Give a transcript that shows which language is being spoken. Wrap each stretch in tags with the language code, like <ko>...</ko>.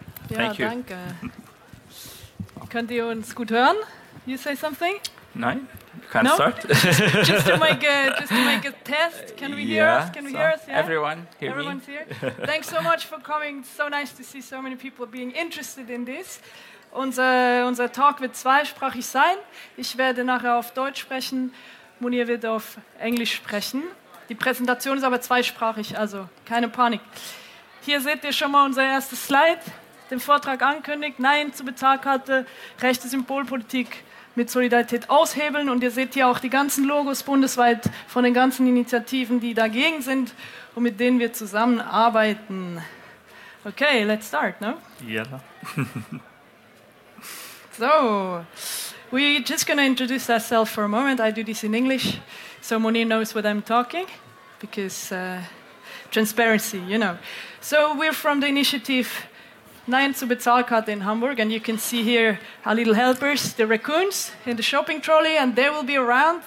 <en>Yeah, thank you.</en> <de>Danke. Könnt ihr uns gut hören?</de> <en>You say something? Nein, you can't start. just to make a test, can we hear us? Can we hear us? Yeah? Everyone, hear Everyone's me. Here. Thanks so much for coming. So nice to see so many people being interested in this.</en> <de>Unser Talk wird zweisprachig sein. Ich werde nachher auf Deutsch sprechen. Munir wird auf Englisch sprechen. Die Präsentation ist aber zweisprachig, also keine Panik. Hier seht ihr schon mal unser erstes Slide. Den Vortrag ankündigt, Nein zur Bezahlkarte, rechte Symbolpolitik mit Solidarität aushebeln. Und ihr seht hier auch die ganzen Logos bundesweit von den ganzen Initiativen, die dagegen sind und mit denen wir zusammenarbeiten.</de> <en>Okay, let's start, no? Yeah. So, we're just going to introduce ourselves for a moment. I do this in English, so Munir knows what I'm talking, because transparency, you know. So we're from the initiative Nein zur Bezahlkarte in Hamburg, and you can see here our little helpers, the raccoons in the shopping trolley, and they will be around.</en>